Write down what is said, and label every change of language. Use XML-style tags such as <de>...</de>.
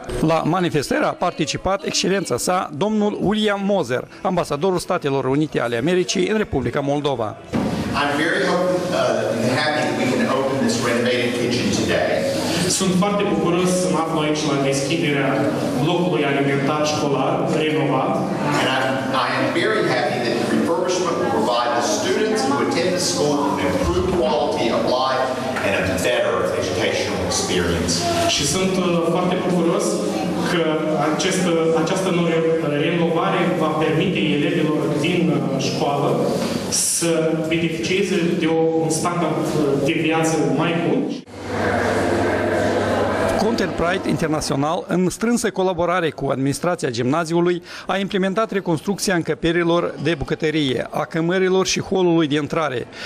<ro>La manifestare a participat excelența sa, domnul William Moser, ambasadorul Statelor Unite ale Americii în Republica Moldova. Sunt foarte bucuros să mă aflu aici la deschiderea blocului alimentar școlar renovat.</ro> <en>And I am very happy that the refurbishment will provide the students who attend the school an improved quality of life and a better educational experience.</en> <ro>Și sunt foarte bucuros că această nouă renovare va permite elevilor din școală să beneficieze de un standard de viață mai bun. Counterpride International, în strânsă colaborare cu administrația gimnaziului, a implementat reconstrucția încăperilor de bucătărie, a cămărilor și holului de intrare.</ro>